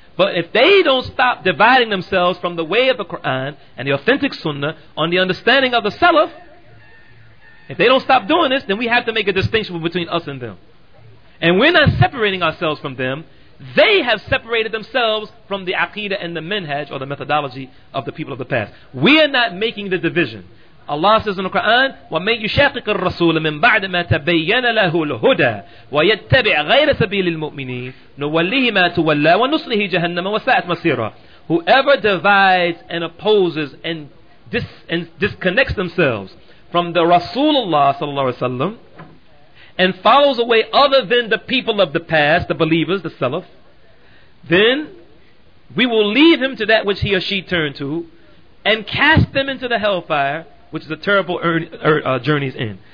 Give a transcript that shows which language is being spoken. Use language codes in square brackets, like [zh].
[en] But if they don't stop dividing themselves from the way of the Quran and the authentic Sunnah on the understanding of the Salaf, if they don't stop doing this, then we have to make a distinction between us and them. And we're not separating ourselves from them. They have separated themselves from the Aqidah and the Minhaj, or the methodology of the people of the past. We are not making the division. Allah says in the Quran, [ar] وَمَنْ يُشَاقِقِ الرَّسُولَ مِنْ بَعْدِ مَا تَبَيَّنَ لَهُ الْهُدَى وَيَتَّبِعْ غَيْرَ سَبِيلِ الْمُؤْمِنِينَ نُوَلِّهِ مَا تُوَلَّى وَنُصْلِهِ جَهَنَّمَ وَسَاءَتْ مَصِيرًا. [en] Whoever divides and opposes and disconnects themselves from the Rasulullah sallallahu alaihi wasallam and follows away other than the people of the past, the believers, the Salaf, then we will leave him to that which he or she turned to and cast them into the hellfire, which is a terrible journey's end.